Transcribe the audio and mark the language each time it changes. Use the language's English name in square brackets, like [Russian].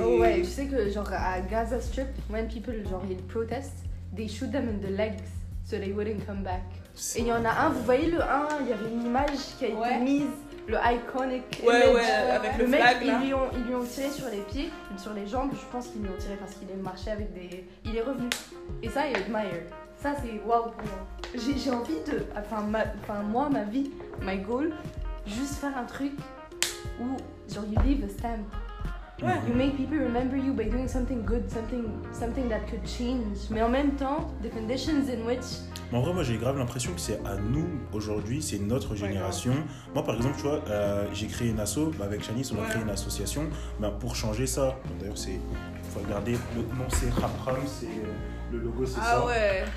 [French] Oh ouais, tu sais que genre à [English] Gaza Strip, when people, [French] genre, ils protestent, [English] they shoot them in the legs so they wouldn't come back. [French] Et il y en a un, vous voyez le 1, il y avait une image qui a été mise, le [English] iconic image. [French] Ouais, ouais, avec le mec, [English] flag, [French] là. Ils lui ont tiré sur les pieds, sur les jambes, je pense qu'ils lui ont tiré parce qu'il est marché avec des... Il est revenu. Et ça, il admire. Ça, c'est wow pour moi. J'ai envie de... Enfin, moi, ma vie, [English] my goal, [French] juste faire un truc où, genre, [English] you leave a stamp. [French] Ouais. [English] You make people remember you by doing something good, something that could change. [French] Mais en même temps, [English] the conditions in which... [French] Mais en vrai, moi, j'ai grave l'impression que c'est à nous, aujourd'hui, c'est notre génération. Ouais. Moi, par exemple, tu vois, j'ai créé une asso, bah, avec Chanice, on a créé une association, bah, pour changer ça. Bon, d'ailleurs, c'est... Il faut regarder, le nom, c'est Rapram, c'est... Le logo, c'est ça. Ah ouais.